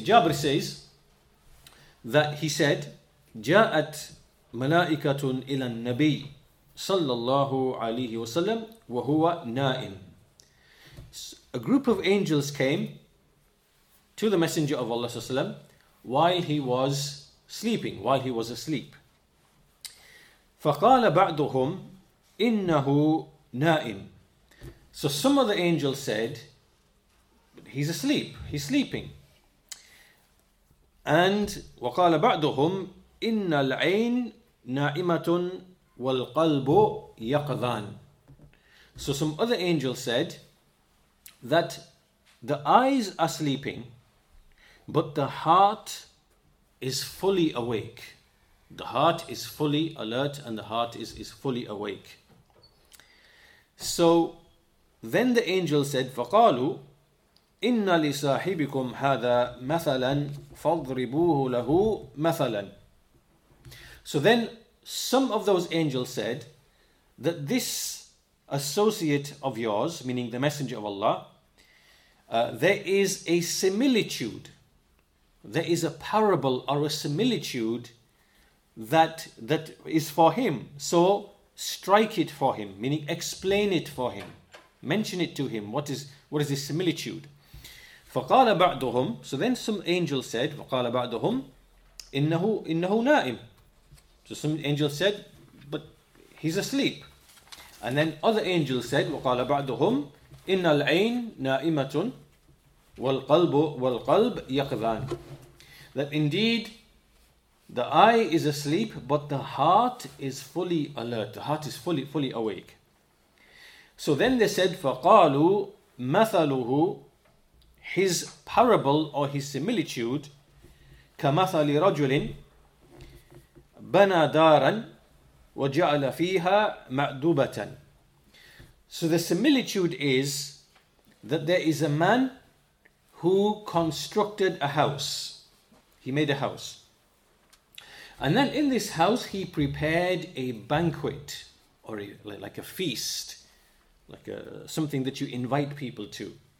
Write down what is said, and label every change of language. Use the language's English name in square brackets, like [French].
[English] Jabir says that he said, [Arabic] جاءت ملائكة إلى النبي صلى الله عليه وسلم وهو نائم. [English] A group of angels came to the Messenger of Allah sallam while he was sleeping, while he was asleep. [Arabic] فقال بعضهم إنه نائم. [English] So some of the angels said, he's asleep, he's sleeping. [Arabic] And وقال بعضهم إن العين نائمة والقلب يقظان. [English] So some other angels said that the eyes are sleeping, but the heart is fully awake. The heart is fully alert and the heart is fully awake. So then the angel said, [Arabic] فقالوا إن لصاحبكم هذا مثلا فاضربوه له مثلا. [English] So then some of those angels said that this associate of yours, meaning the Messenger of Allah, there is a similitude, there is a parable or a similitude that is for him. So strike it for him, meaning explain it for him, mention it to him. What is this similitude? [Arabic] فَقَالَ بَعْضُهُمْ. [English] So then some angel said, [Arabic] فَقَالَ بَعْضُهُمْ إِنَّهُ نَائِمْ. [English] So some angel said, but he's asleep. And then other angel said, [Arabic] وَقَالَ بَعْضُهُمْ إِنَّ الْعَيْنِ نَائِمَةٌ وَالْقَلْبُ يَقْذَانِ. [English] That indeed, the eye is asleep, but the heart is fully alert. The heart is fully awake. So then they said, [Arabic] فَقَالُوا مَثَلُهُ. [English] His parable or his similitude, [Arabic] كَمَثَلِ رَجُلٍ بَنَى دَارًا وَجَعَلَ فِيهَا مَعْدُوبَةً. [English] So the similitude is that there is a man who constructed a house. He made a house. And then in this house, he prepared a banquet or a feast, something that you invite people to.